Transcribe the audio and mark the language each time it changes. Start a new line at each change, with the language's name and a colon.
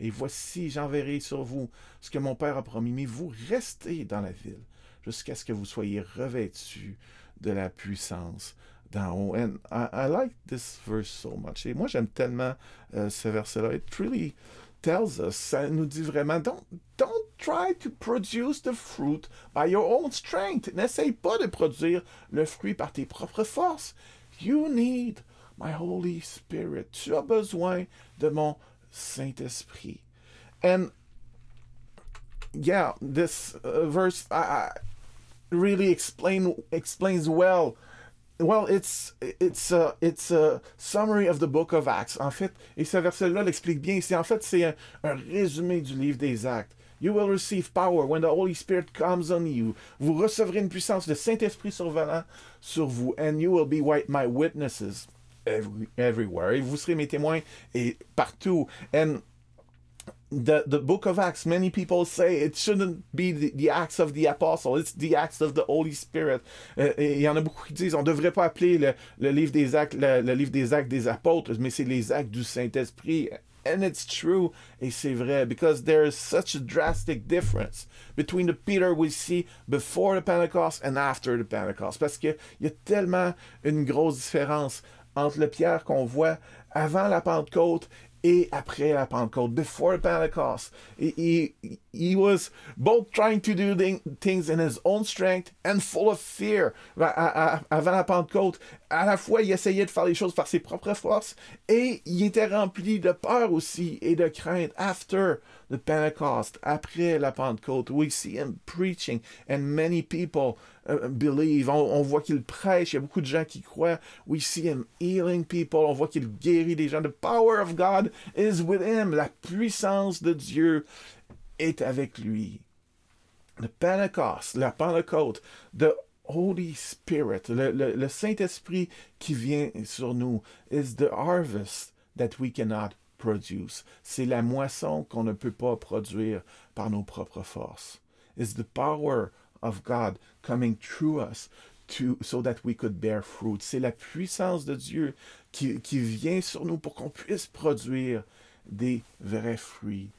French: Et voici, j'enverrai sur vous ce que mon Père a promis, mais vous restez dans la ville jusqu'à ce que vous soyez revêtus de la puissance d'en haut. »
English: And I like this verse so much.
French: Et moi, j'aime tellement ce verset-là.
English: It really tells us,
French: ça nous dit vraiment,
English: don't try to produce the fruit by your own strength.
French: N'essaye pas de produire le fruit par tes propres forces.
English: You need my Holy Spirit.
French: Tu as besoin de mon Saint-Esprit.
English: And, yeah, this verse really explains well. Well, it's a summary of the book of Acts.
French: En fait, et ce verset-là l'explique bien. C'est, en fait, c'est un résumé du livre des Actes.
English: You will receive power when the Holy Spirit comes on you.
French: Vous recevrez une puissance de Saint-Esprit survenant sur vous.
English: And you will be my witnesses everywhere.
French: Et vous serez mes témoins et partout.
English: And the book of Acts, many people say it shouldn't be the Acts of the Apostles. It's the Acts of the Holy Spirit.
French: Il y en a beaucoup qui disent on ne devrait pas appeler le livre des Actes le livre des Actes des Apôtres, mais c'est les Actes du Saint-Esprit.
English: And it's true.
French: Et c'est vrai.
English: Because there is such a drastic difference between the Peter we see before the Pentecost and after the Pentecost.
French: Parce que il y a tellement une grosse différence entre le Pierre qu'on voit avant la Pentecôte et après la Pentecôte,
English: before the Pentecost. He was both trying to do things in his own strength and full of fear.
French: Avant la Pentecôte, à la fois, il essayait de faire les choses par ses propres forces et il était rempli de peur aussi et de crainte
English: after the Pentecost,
French: après la Pentecôte.
English: We see him preaching and many people believe.
French: On voit qu'il prêche, il y a beaucoup de gens qui croient.
English: We see him healing people,
French: on voit qu'il guérit des gens.
English: The power of God is with him.
French: La puissance de Dieu est avec lui.
English: The Pentecost,
French: la Pentecôte,
English: the Holy Spirit,
French: le Saint-Esprit qui vient sur nous,
English: is the harvest that we cannot produce.
French: C'est la moisson qu'on ne peut pas produire par nos propres forces.
English: It's the power of God coming through us so that we could bear fruit.
French: C'est la puissance de Dieu qui vient sur nous pour qu'on puisse produire des vrais fruits.